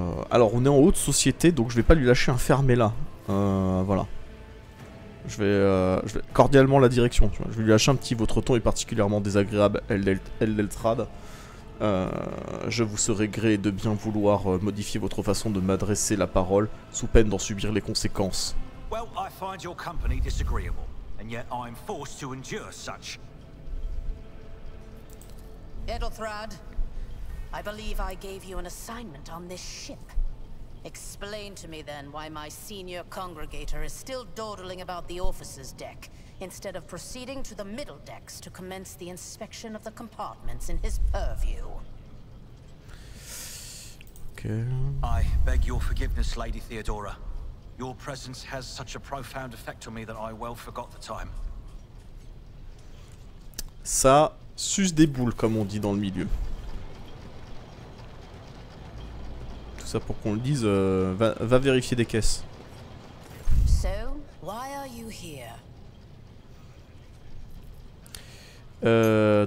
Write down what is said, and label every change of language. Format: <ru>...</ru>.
<fr>Alors, on est en haute société, donc je vais pas lui lâcher un fermé là. Voilà. Je vais cordialement la direction, tu vois. Je vais lui lâcher un petit votre ton est particulièrement désagréable, Eldeltrad. Je vous serai gré de bien vouloir modifier votre façon de m'adresser la parole sous peine d'en subir les conséquences.</fr> <en>Well, I find your company disagreeable, and yet I'm forced to endure such. Eldeltrad, I believe I gave you an assignment on this ship. Explain to me then why my senior congregator is still dawdling about the officer's deck instead of proceeding to the middle decks to commence the inspection of the compartments in his purview. Okay. I beg your forgiveness, Lady Theodora. Your presence has such a profound effect on me that I well forgot the time.</en> <fr>Ça suce des boules, comme on dit dans le milieu. Ça pour qu'on le dise, va vérifier des caisses.</fr> <en>So, why are you here?</en>